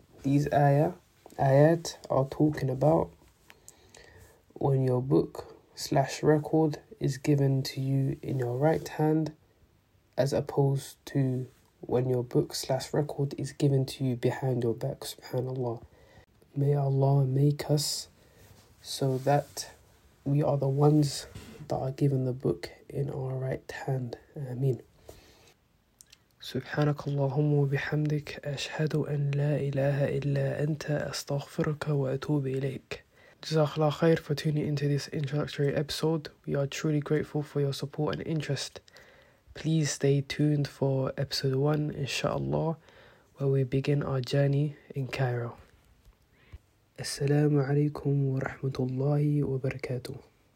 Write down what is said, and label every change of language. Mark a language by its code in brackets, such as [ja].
[en] These ayat are talking about when your book / record is given to you in your right hand, as opposed to when your book / record is given to you behind your back. SubhanAllah. May Allah make us so that we are the ones that are given the book in our right hand. Ameen. [ar] سبحانك اللهم وبحمدك أشهد أن لا إله إلا أنت أستغفرك وأتوب إليك. جزاك الله خير [en] for tuning into this introductory episode. We are truly grateful for your support and interest. Please stay tuned for episode 1 inshallah, where we begin our journey in Cairo. [ar] السلام عليكم ورحمة الله وبركاته.